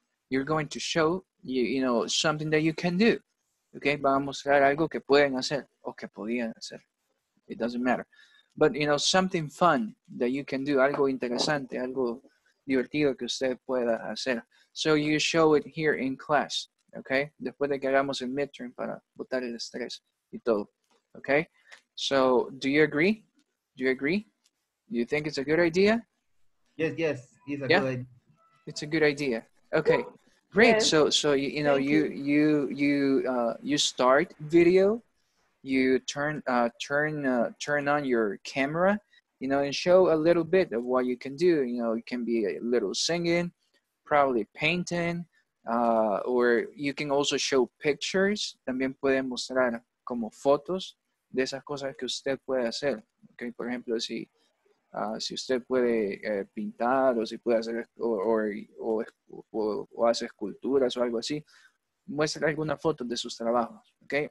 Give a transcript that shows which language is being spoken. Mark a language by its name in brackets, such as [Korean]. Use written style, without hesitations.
[English] You're going to show, something that you can do. Okay, [Spanish] vamos a mostrar algo que pueden hacer o que podían hacer. [English] It doesn't matter. But, you know, something fun that you can do, [Spanish] algo interesante, algo divertido que usted pueda hacer. [English] So you show it here in class, okay? [Spanish] Después de que hagamos el midterm para botar el estrés y todo, okay? [English] So do you agree? Do you agree? Do you think it's a good idea? Yes, yes, it's a good idea. It's a good idea. Okay, great. Yes. So you know, you start video, you turn on your camera, you know, and show a little bit of what you can do. You know, it can be a little singing, probably painting, or you can also show pictures. [Spanish] También pueden mostrar como fotos de esas cosas que usted puede hacer. Okay, por ejemplo, si usted puede pintar o si puede hacer o hace esculturas o algo así, muestra alguna foto de sus trabajos, okay?